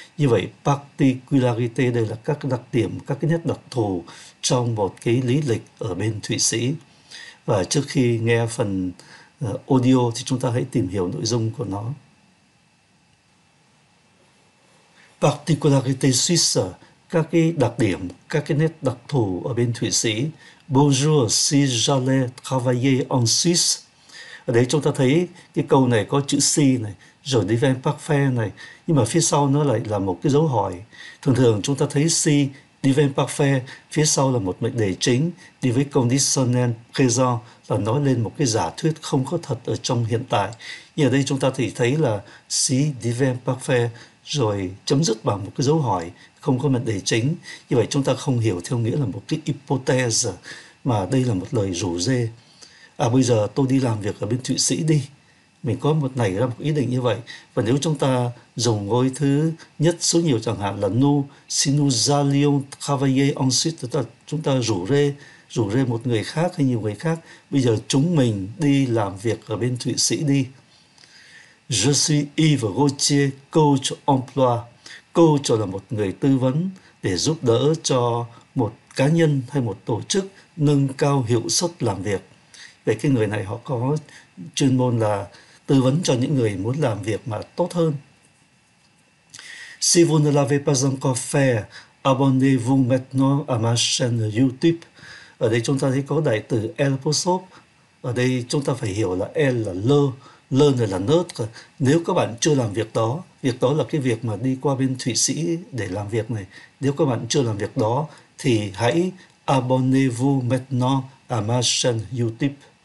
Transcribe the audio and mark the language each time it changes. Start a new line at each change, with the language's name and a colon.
Vietnamese: Như vậy, particularité đây là các cái đặc điểm, các cái nét đặc thù trong một cái lý lịch ở bên Thụy Sĩ. Và trước khi nghe phần audio thì chúng ta hãy tìm hiểu nội dung của nó.
French: Particularité suisse,
Vietnamese: các cái đặc điểm, các cái nét đặc thù ở bên Thụy Sĩ.
French: Bonjour, si j'allais travailler en Suisse.
Vietnamese: Ở đây chúng ta thấy cái câu này có chữ si này, rồi đi vem parfait này, nhưng mà phía sau nó lại là một cái dấu hỏi. Thường thường chúng ta thấy si, đi vem parfait, phía sau là một mệnh đề chính, đi với conditionnel présent là nói lên một cái giả thuyết không có thật ở trong hiện tại. Nhưng ở đây chúng ta thì thấy là si, đi vem parfait, rồi chấm dứt bằng một cái dấu hỏi, không có mệnh đề chính. Như vậy chúng ta không hiểu theo nghĩa là một cái hypothèse, mà đây là một lời rủ rê. À, bây giờ tôi đi làm việc ở bên Thụy Sĩ đi. Mình có một nảy ra một ý định như vậy. Và nếu chúng ta dùng ngôi thứ nhất số nhiều chẳng hạn là nous,
French: si nous allions travailler en Suisse,
Vietnamese: chúng ta rủ rê một người khác hay nhiều người khác. Bây giờ chúng mình đi làm việc ở bên Thụy Sĩ đi.
French: Je suis Yves Gauthier, coach emploi.
Vietnamese: Coach là một người tư vấn để giúp đỡ cho một cá nhân hay một tổ chức nâng cao hiệu suất làm việc. Vậy cái người này họ có chuyên môn là tư vấn cho những người muốn làm việc mà tốt hơn.
French: Si vous ne l'avez pas encore fait, abonnez-vous maintenant à ma chaîne YouTube.
Vietnamese: Ở đây chúng ta thấy có đại từ L-Posop. Ở đây chúng ta phải hiểu là L là lơ. Lơ này là nớt. Nếu các bạn chưa làm việc đó, việc đó là cái việc mà đi qua bên Thụy Sĩ để làm việc này. Nếu các bạn chưa làm việc đó, thì hãy
French: abonnez-vous maintenant à ma chaîne YouTube.